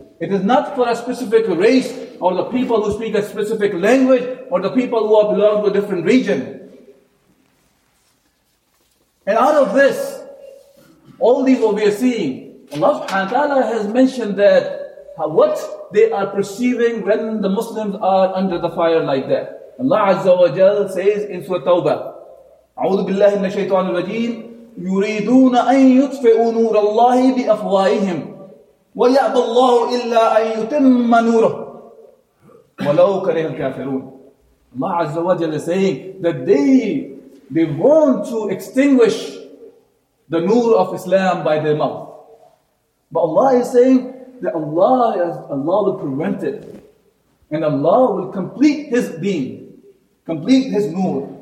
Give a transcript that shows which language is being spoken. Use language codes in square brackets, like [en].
[en] It is not for a specific race, or the people who speak a specific language, or the people who are belong to a different region. And out of this, all these what we are seeing, Allah subhanahu wa ta'ala has mentioned that what they are perceiving when the Muslims are under the fire like that. Allah Azza wa Jal says in Surah Tawbah, [ar] أعوذ بالله من الشيطان الرجيم يريدون أن يطفئوا نور الله بأفواههم ويأبى الله إلا أن يتم نوره ولو كره الكافرون. [en] Allah Azza wa Jalla is saying that they want to extinguish the nur of Islam by their mouth. But Allah is saying that Allah will prevent it. And Allah will complete His being. Complete His nur.